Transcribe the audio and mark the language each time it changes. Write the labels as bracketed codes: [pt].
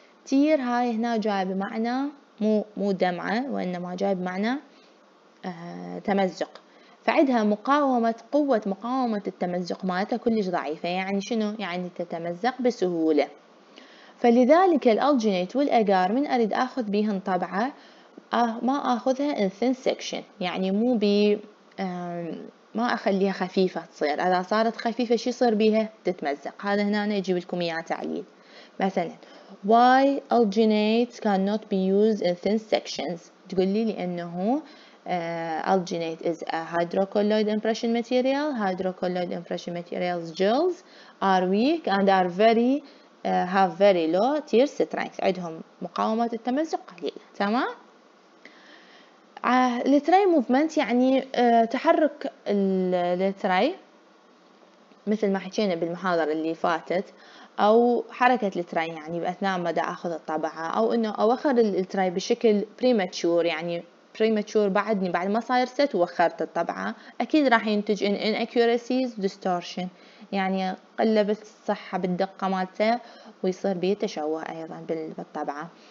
[ar] تير هاي هنا جاي بمعنى مو دمعة، وإنما جاي بمعنى تمزق، فعدها مقاومة، قوة مقاومة التمزق مالتها كلش ضعيفة، يعني شنو؟ يعني تتمزق بسهولة. فلذلك الألجينيت والأجار من أريد أخذ بهن طبعة ما أخذها [en] in thin section، [ar] يعني مو بي ما أخليها خفيفة تصير، إذا صارت خفيفة شو يصير بيها؟ تتمزق. هذا هنا يجيب لكم إياه تعليل. مثلاً [en] why alginate cannot be used in thin sections؟ [ar] تقول لي لأنه [en] alginate is a hydrocolloid impression material. Hydrocolloid impression materials gels are weak and are very have very low tear strength. [ar] عندهم مقاومة التمزق قليلة. تمام؟ التري موفمنت يعني تحرك التري مثل ما حكينا بالمحاضرة اللي فاتت، أو حركة التري يعني بأثناء ما دا أخذ الطبعة، أو إنه أوخر التري بشكل بريماتشور، يعني بريماتشور بعدني بعد ما صاير ست وخرت الطبعة، أكيد راح ينتج إن [en] inaccuracies distortion، [ar] يعني قلة بالصحة بالدقة مالته، ويصير بيه تشوه أيضا بالطبعة.